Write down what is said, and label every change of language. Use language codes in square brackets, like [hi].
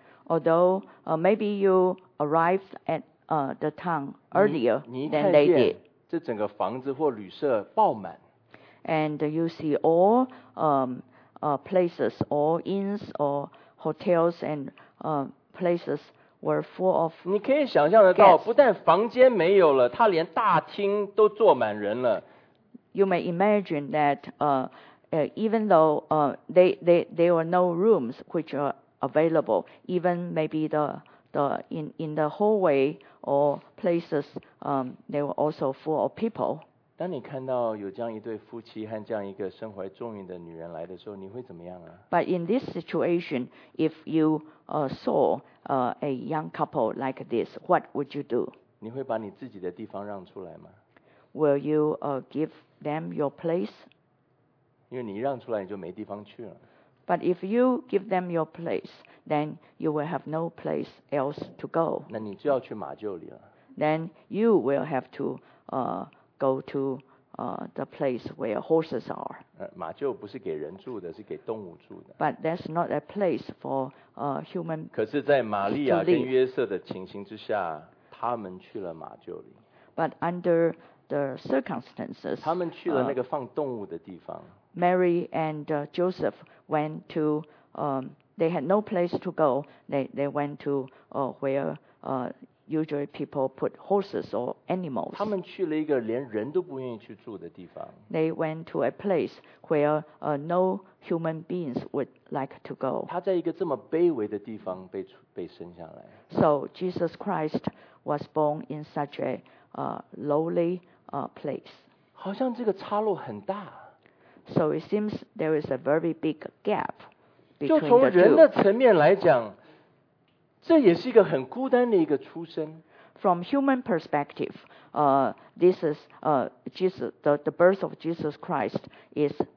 [en] Although maybe you arrived at the town earlier than they did. [zh] 你一看见这整个房子或旅社爆满。 [en] And you see all places, all inns or hotels and places. Were full of [zh] 你可以想象得到，不但房间没有了，他连大厅都坐满人了。 [en] You may imagine that, even though there were no rooms which are available, even maybe the in the hallway or places, they were also full of people. [zh] 当你看到有这样一对夫妻和这样一个身怀重孕的女人来的时候，你会怎么样啊 [en] ？But in this situation, if you saw a young couple like this, what would you do? [zh] 你会把你自己的地方让出来吗？ [en] Will you give them your place? [zh] 因为你让出来你就没地方去了。 [en] But if you give them your place, then you will have no place else to go. [zh] 那你就要去马厩里了。 [en] Then you will have to go to the place where horses are. [zh] 马厩不是给人住的，是给动物住的。 [en] But that's not a place for human. [zh] 可是在玛利亚跟约瑟的情形之下，他们去了马厩里。 [en] But under the circumstances, [zh] 他们去了那个放动物的地方。 [en] Mary and Joseph went to, they had no place to go. They went to where usually people put horses or animals. [zh] 他们去了一个连人都不愿意去住的地方。 [en] They went to a place where no human beings would like to go. [zh] 他在一个这么卑微的地方 被生下来。 [en] So Jesus Christ was born in such a lowly place. [zh] 好像这个差落很大。 [en] So it seems there is a very big gap between the two. [zh] 就从人的层面来讲，这也是一个很孤单的一个出身。 [en] From human perspective, this is Jesus, the birth of Jesus Christ is